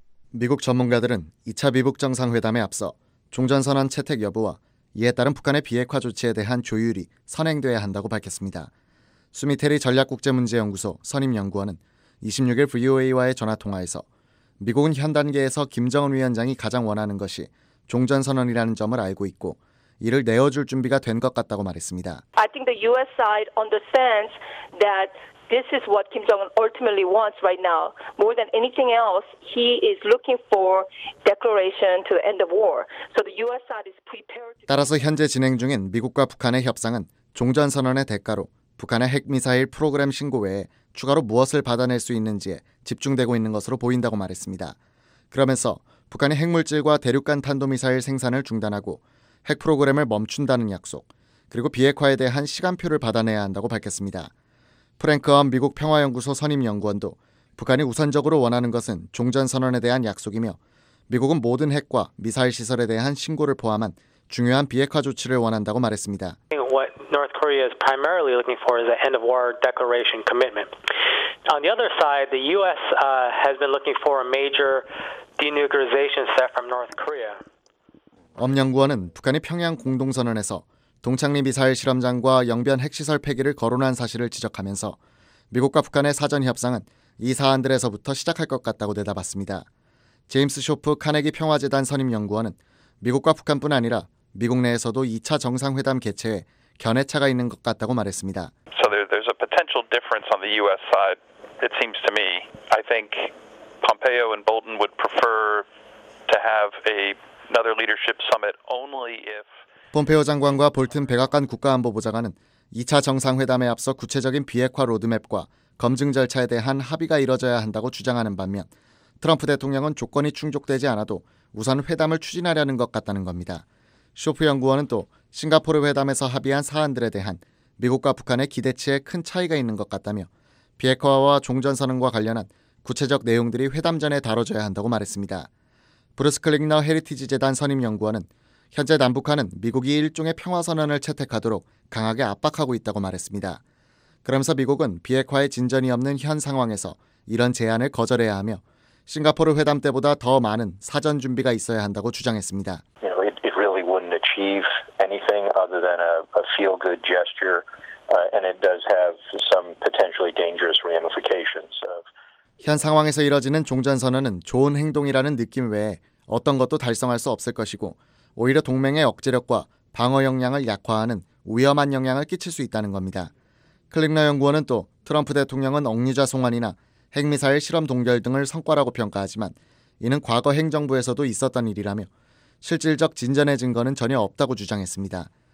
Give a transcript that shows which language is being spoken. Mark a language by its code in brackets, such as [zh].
[ko] 미국 전문가들은 2차 미북 정상회담에 앞서 종전선언 채택 여부와 이에 따른 북한의 비핵화 조치에 대한 조율이 선행돼야 한다고 밝혔습니다. 수미테리 전략국제문제연구소 선임연구원은 26일 VOA와의 전화통화에서 미국은 현 단계에서 김정은 위원장이 가장 원하는 것이 종전선언이라는 점을 알고 있고 이를 내어줄 준비가 된 것 같다고 말했습니다. [en] I think the US side understands that this is what Kim Jong-un ultimately wants right now. More than anything else, he is looking for declaration to end of war. So the US side is prepared. [ko] 따라서 현재 진행 중인 미국과 북한의 협상은 종전선언의 대가로 북한의 핵미사일 프로그램 신고 외에 추가로 무엇을 받아낼 수 있는지에 집중되고 있는 것으로 보인다고 말했습니다. 그러면서 북한의 핵물질과 대륙간 탄도미사일 생산을 중단하고 핵 프로그램을 멈춘다는 약속, 그리고 비핵화에 대한 시간표를 받아내야 한다고 밝혔습니다. 프랭크 엄 미국 평화연구소 선임연구원도 북한이 우선적으로 원하는 것은 종전선언에 대한 약속이며 미국은 모든 핵과 미사일 시설에 대한 신고를 포함한 중요한 비핵화 조치를 원한다고 말했습니다. [en] North Korea is primarily looking for is an end of war declaration commitment. On the other side, the US has been looking for a major denuclearization step from North Korea. [ko] 엄 연구원은 북한이 평양 공동선언에서 동창리 미사일 실험장과 영변 핵시설 폐기를 거론한 사실을 지적하면서 미국과 북한의 사전 협상은 이 사안들에서부터 시작할 것 같다고 내다봤습니다. 제임스 쇼프 카네기 평화재단 선임 연구원은 미국과 북한뿐 아니라 미국 내에서도 2차 정상회담 개최에 견해차가 있는 것 같다고 말했습니다. [en] So there's a potential difference on the US side. It seems to me. I think Pompeo and Bolton would prefer to have another leadership summit only if [ko] 폼페이오 장관과 볼튼 백악관 국가안보보좌관은 2차 정상회담에 앞서 구체적인 비핵화 로드맵과 검증 절차에 대한 합의가 이뤄져야 한다고 주장하는 반면 트럼프 대통령은 조건이 충족되지 않아도 우선 회담을 추진하려는 것 같다는 겁니다. 쇼프 연구원은 또 싱가포르 회담에서 합의한 사안들에 대한 미국과 북한의 기대치에 큰 차이가 있는 것 같다며 비핵화와 종전선언과 관련한 구체적 내용들이 회담 전에 다뤄져야 한다고 말했습니다. 브루스 클릭너 헤리티지 재단 선임연구원은 현재 남북한은 미국이 일종의 평화선언을 채택하도록 강하게 압박하고 있다고 말했습니다. 그러면서 미국은 비핵화에 진전이 없는 현 상황에서 이런 제안을 거절해야 하며 싱가포르 회담 때보다 더 많은 사전 준비가 있어야 한다고 주장했습니다. [en] Anything other than a feel-good gesture, and it does have some potentially dangerous ramifications. [ko] 현 상황에서 이뤄지는 종전선언은 좋은 행동이라는 느낌 외에 어떤 것도 달성할 수 없을 것이고 오히려 동맹의 억제력과 방어 역량을 약화하는 위험한 영향을 끼칠 수 있다는 겁니다. 클릭너 연구원은 또 트럼프 대통령은 억류자 송환이나 핵미사일 실험 동결 등을 성과라고 평가하지만 이는 과거 행정부에서도 있었던 일이라며 실질적 진전의 증거는 전혀 없다고 주장했습니다.